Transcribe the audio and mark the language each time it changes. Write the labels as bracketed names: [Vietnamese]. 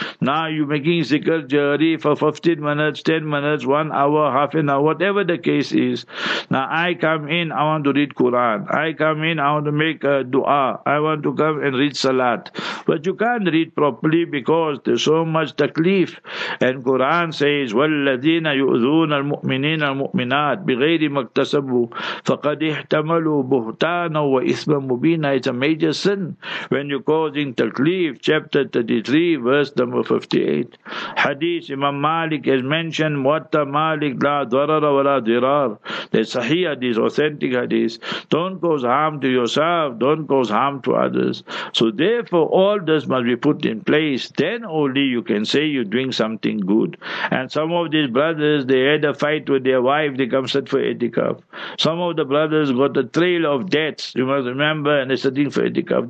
[English] Now you're making zikr-e-jahari for 15 minutes, 10 minutes, 1 hour, half an hour, whatever the case is. Now I come in, I want to read Quran. I come in, I want to make a dua. I want to come and read Salat. But you can't read properly because there's so much taklif. And Quran says, [Arabic] وَالَّذِينَ يُؤْذُونَ الْمُؤْمِنِينَ الْمُؤْمِنَاتِ بِغَيْرِ مَكْتَسَبُوا فَقَدْ اِحْتَمَلُوا بُهْتَانًا وَإِثْمًا مُبِينًا. [English] It's a major sin when you're causing taklif. Chapter 33, verse number 58. Hadith, Imam Malik has mentioned, [Arabic] مُوَتَّ مَالِكْ لَا ضَرَرَ وَلَا ضِرَارَ. [English] The sahih hadith, authentic hadith. Don't cause harm to yourself, don't cause harm to others. So therefore all this must be put in place, then only you can say you're doing something good. And some of these brothers, they had a fight with their wife, they come sit for etikaf. Some of the brothers got a trail of debts, you must remember, and they're sitting for etikaf.